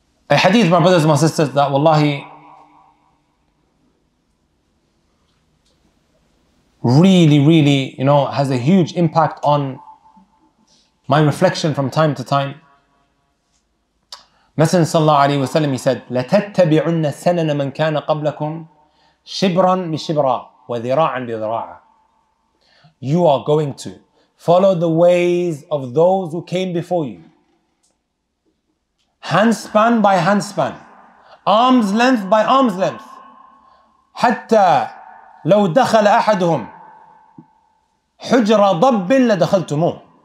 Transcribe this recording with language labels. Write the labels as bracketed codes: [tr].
[en] A hadith, my brothers and my sisters, that wallahi really, really, you know, has a huge impact on my reflection from time to time. Messenger sallallahu alayhi wa sallam, he said, [ar] لَتَتَّبِعُنَّ سَنَنَ مَنْ كَانَ قَبْلَكُمْ شِبْرًا بِشِبْرًا وَذِرَاعًا بِذِرَاعًا. [en] You are going to follow the ways of those who came before you, handspan by handspan, arm's length by arm's length. [ar] حَتَّى لَوْ دَخَلَ أَحَدُهُمْ حُجْرَ ضَبٍّ لَدَخَلْتُمُهُ.